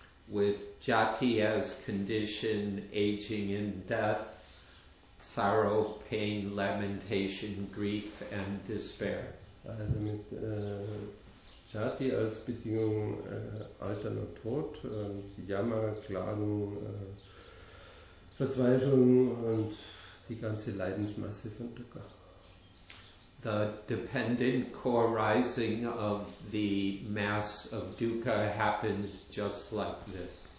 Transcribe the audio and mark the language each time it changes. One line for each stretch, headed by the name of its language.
English: With jati as condition, aging and death, sorrow, pain, lamentation, grief and despair.
German: Also mit jati als Bedingung Alter und Tod, Jammer, Klagen, Verzweiflung und die ganze Leidensmasse von Dukkha.
English: The dependent core rising of the mass of dukkha happens just like this.